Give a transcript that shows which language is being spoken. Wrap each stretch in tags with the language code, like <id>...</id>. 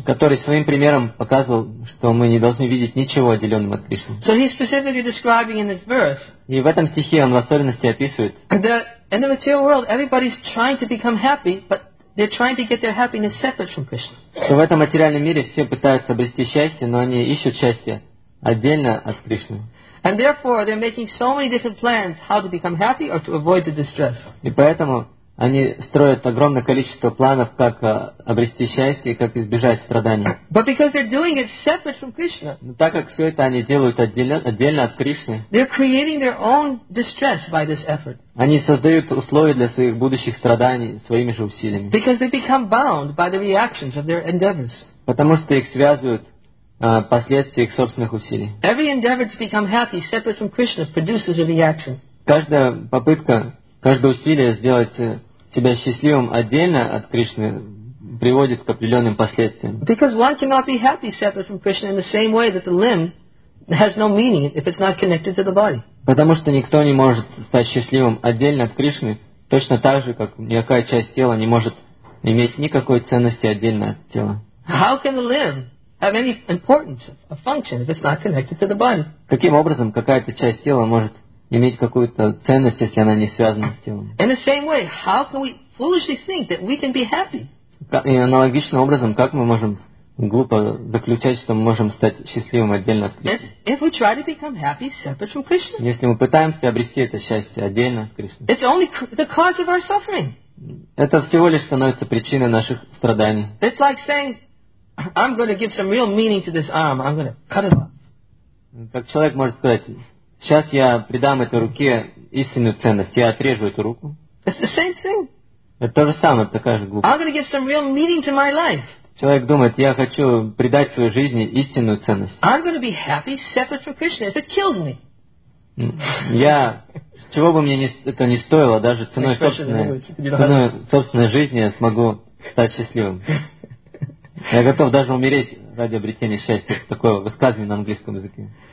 <ru>который своим примером показывал, что мы не должны видеть ничего отделенным от Кришны.</ru> <en>So he's specifically describing in this verse,</en> <ru>и в этом стихе он в особенности описывает,</ru> <en>in the material world, everybody's trying to become happy, but they're trying to get their happiness separate from Krishna.</en> <ru>Что в этом материальном мире все пытаются обрести счастье, но они ищут счастье отдельно от Кришны.</ru> <en>And therefore, they're making so many different plans how to become happy or to avoid the distress.</en> <ru>И поэтому они строят огромное количество планов, как обрести счастье и как избежать страданий.</ru> <en>But because they're doing it separate from Krishna,</en> <ru>так как все это они делают отдельно от Кришны,</ru> <en>they're creating their own distress by this effort.</en> <ru>Они создают условия для своих будущих страданий своими же усилиями.</ru> <en>Because they become bound by the reactions of their endeavors.</en> <ru>Потому что их связывают последствия их собственных усилий.</ru> <en>Every endeavor to become happy separate from Krishna produces a reaction.</en> <ru>Каждая попытка, каждое усилие сделать себя счастливым отдельно от Кришны приводит к определенным последствиям.</ru> <en>Because one cannot be happy separate from Krishna in the same way that the limb has no meaning if it's not connected to the body.</en> <ru>Потому что никто не может стать счастливым отдельно от Кришны, точно так же, как никакая часть тела не может иметь никакой ценности отдельно от тела.</ru> <en>How can the limb have any importance or function if it's not connected to the body?</en> <ru>Каким образом какая-то часть тела может иметь какую-то ценность, если она не связана с телом?</ru> <en>In the same way, how can we foolishly think that we can be happy?</en> <ru>И аналогичным образом, как мы можем глупо заключать, что мы можем стать счастливым отдельно от Кришны?</ru> <en>If we try to become happy separate from Krishna?</en> <ru>Если мы пытаемся обрести это счастье отдельно от Кришны?</ru> <en>It's only the cause of our suffering.</en> <ru>Это всего лишь становится причиной наших страданий.</ru> <en>It's like saying, I'm going to give some real meaning to this arm. I'm going to cut it off.</en> <ru>Как человек может сказать, сейчас я придам этой руке истинную ценность, я отрежу эту руку.</ru> <en>It's the same thing.</en> <ru>Это то же самое, такая же глупость.</ru> <en>I'm going to give some real meaning to my life.</en> <ru>Человек думает, я хочу придать своей жизни истинную ценность.</ru> <en>I'm going to be happy separate from Krishna if it kills me.</en> <ru>Я, чего бы мне это ни стоило, даже ценой собственной жизни я смогу стать счастливым. Я готов даже умереть ради обретения счастья. Это такое высказывание на английском языке.</ru>